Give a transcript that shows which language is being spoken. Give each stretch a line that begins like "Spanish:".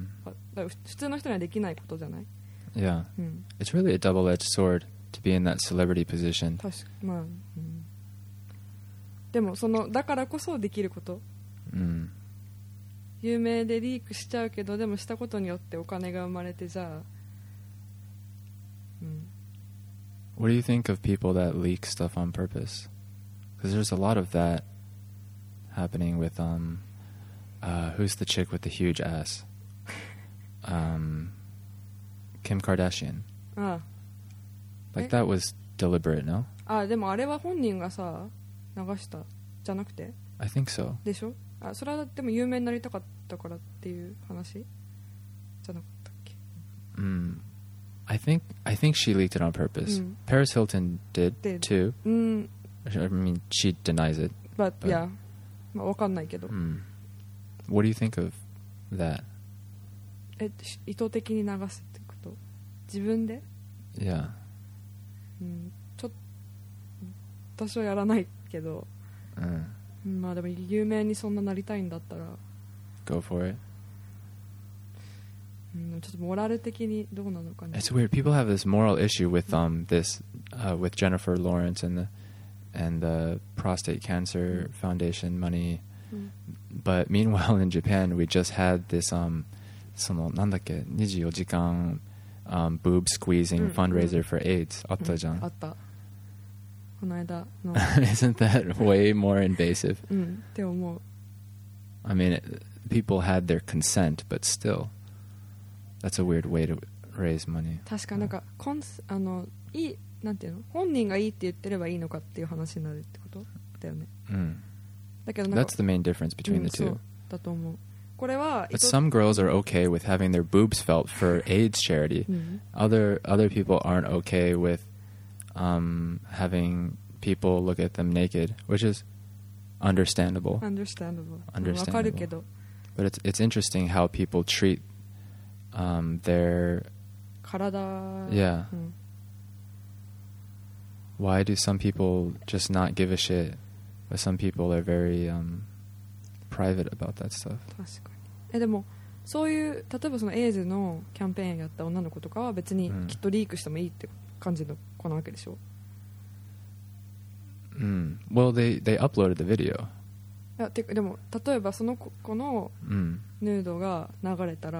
Japanese: だから普通の人にはできないことじゃない。
English: Yeah. It's really a double-edged sword to be in that celebrity position.
Japanese: 確か、まあ、でもそのだからこそできること、有名でリークしちゃうけど、でもしたことによってお金が生まれて、じゃあ、
English: What do you think of people that leak stuff on purpose? Because there's a lot of that happening with who's the chick with the huge ass? Kim Kardashian. Like that was deliberate, no?
Japanese: Ah, でもあれは本人がさ流したじゃなくて。
English: I think so.
Japanese: でしょ？あ、それはでも有名になりたかったからっていう話じゃなかったっけ？
English: I think she leaked it on purpose. Paris Hilton did too. I mean, she denies it. But yeah.
Japanese: まあ、わかんないけど。
English: What do you think of that?
Japanese: 意図的に流すってこと。自分で？
English: Yeah.
Japanese: ちょっと、私はやらないけど。まあでも有名にそんななりたいんだったら。
English: Go for it.
Japanese: ちょっとモラル的にどうなのかな。
English: It's weird. People have this moral issue with with Jennifer Lawrence and the prostate cancer foundation money. But meanwhile in Japan we just had this
Japanese: そのなんだっけ24時間
English: boob squeezing fundraiser for AIDS
Japanese: あったじゃん。あった。この間の。
English: Isn't that way more invasive?
Japanese: うん、って思う。
English: I mean, people had their consent, but still, that's a weird way to raise money.
Japanese: 確かなんか、コンス、あの、いい、なんていうの？本人がいいって言ってればいいのかっていう話になるってことだよね。うん。だけどなんか、
English: That's the main difference between the two.
Japanese: うん、そうだと思う。これは、
English: But some girls are okay with having their boobs felt for AIDS charity. 、うん、other people aren't okay with、having people look at them naked, which is understandable.
Japanese: Understandable. わかるけど。
English: But it's interesting how people treat、their
Japanese: 体。
English: Yeah.、
Japanese: うん、
English: Why do some people just not give a shit, but some people are very、private about that stuff?
Japanese: 確かに。え、でもそういう例えばそのエイズのキャンペーンやった女の子とかは別にきっとリークしてもいいって感じの子なわけでしょ。
English: うん。Well, they uploaded the video.
Japanese: いや、てかでも例えばその子のヌードが流れたら、